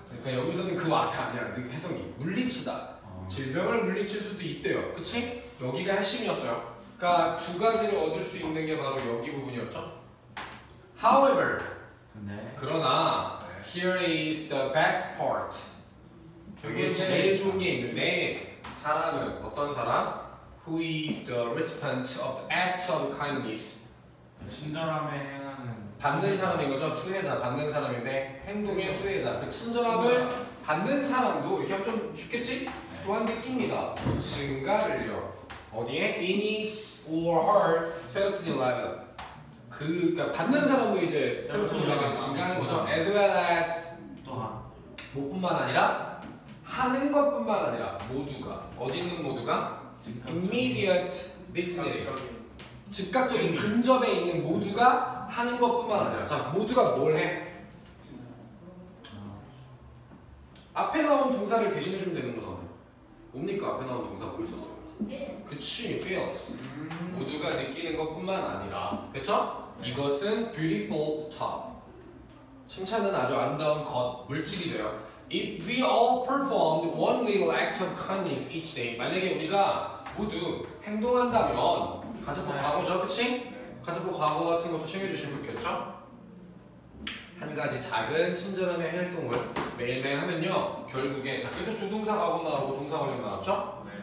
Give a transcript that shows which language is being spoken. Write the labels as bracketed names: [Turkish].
[Korean] 그니까 여기서는 그 와자 아니라 해석이 물리치다. 질병을 물리칠 수도 있대요. 그치? 여기가 핵심이었어요. 그니까 두 가지를 얻을 수 있는 게 바로 여기 부분이었죠. [English] However, [Korean] 네. 그러나 네. [English] Here is the best part. [Korean] 여기에 제일 좋은 게 있는데 사람은 어떤 사람? [English] Who is the recipient of act of kindness? [Korean] 친절함에 행하는 받는 사람인 거죠? 수혜자, 받는 사람인데 행동의 수혜자. 그 친절함을 받는 사람도 이렇게 하면 좀 쉽겠지? 또한 느낍니다. 증가를요. 어디에? [English] In his or her serotonin level. [Korean] 그니까 받는 사람도 이제 serotonin level이 증가하는 거죠. [English] As well as [Korean] 또한 뭐 뿐만 아니라 하는 것 뿐만 아니라 모두가 어디 있는 모두가? [English] Immediate vicinity. [Korean] 즉각적인 근접에 있는 모두가 하는 것 뿐만 아니라 자 모두가 뭘 해? 앞에 나온 동사를 대신해주면 되는 거잖아요. 뭡니까 앞에 나온 동사 뭐 있었어요? 그치 feels. 모두가 느끼는 것 뿐만 아니라 그쵸? 이것은 [English] beautiful stuff. [Korean] 칭찬은 아주 아름다운 것 물질이 돼요. [English] If we all performed one little act of kindness each day. [Korean] 만약에 우리가 모두 행동한다면 가정법 과거죠 그치? 가정법 과거 같은 것도 챙겨주시면 좋겠죠? 한 가지 작은 친절함의 행동을 매일매일 하면요 결국에 자 그래서 조동사 과거 나오고 동사 과거 나왔죠? 네.